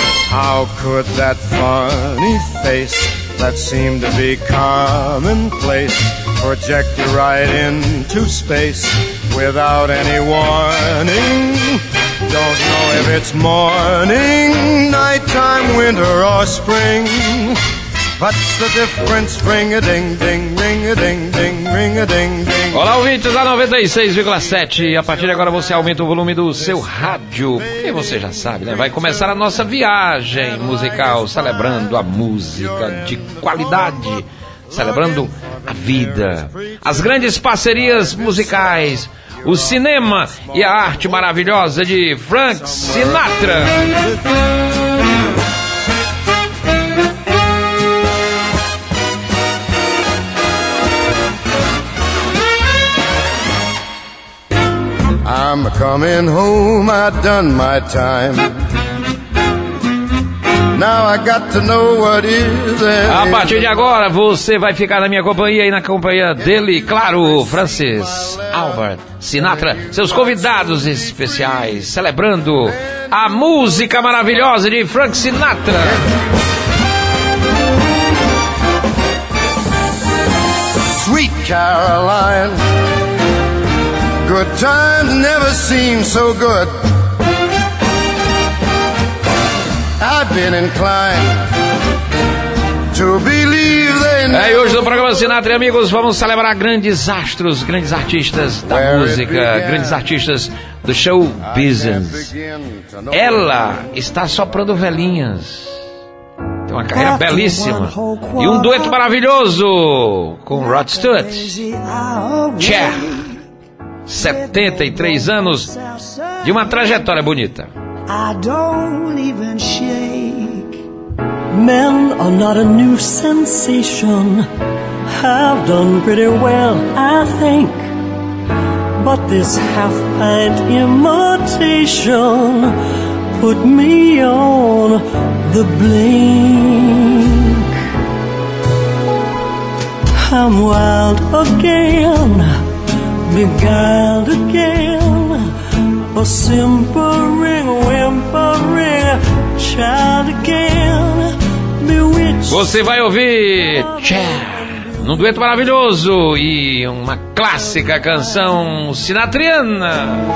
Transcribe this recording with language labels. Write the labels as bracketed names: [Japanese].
[English] How could that funny face that seemed to be commonplace project you right into space without any warning? Don't know if it's morning, nighttime, winter, or spring. What's the difference? Ring-a-ding-ding, ring-a-ding-ding, ring-a-ding-ding. [Portuguese] Olá, ouvintes da 96,7. A partir de agora você aumenta o volume do seu rádio. E você já sabe, né? Vai começar a nossa viagem musical, celebrando a música de qualidade, celebrando a vida, as grandes parcerias musicais, o cinema e a arte maravilhosa de Frank Sinatra. [English] I'm coming home, I done my time. Now I got to know what is. [Portuguese] A partir de agora, você vai ficar na minha companhia e na companhia dele, claro, Francis Albert Sinatra, seus convidados especiais, celebrando a música maravilhosa de Frank Sinatra. [English] Sweet Caroline, good times never seem so good. I've been inclined to believe they know. [Portuguese] É, e hoje no programa Sinatra e Amigos vamos celebrar grandes astros, grandes artistas da Where música, grandes artistas do show business. Ela está soprando velhinhas. Tem uma carreira After belíssima. E um dueto maravilhoso com Rod Stewart. Cher. 73 anos de uma trajetória bonita. [English] I don't even shake. Men are not a new sensation. Have done pretty well, I think. But this half-pint imitation put me on the blink. I'm wild again, beguiled again. A simpering, whimpering child again, bewitched. [Portuguese] Você vai ouvir Cher num dueto maravilhoso e uma clássica canção sinatriana.